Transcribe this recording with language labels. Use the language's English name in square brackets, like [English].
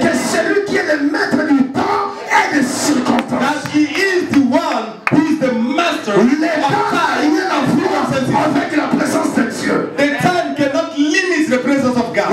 [French] que celui qui est le maître du temps et des circonstances. [English] That he is the one who is the master. [French] Le temps est la vie avec la présence de Dieu. [English] The time cannot limit the presence of God.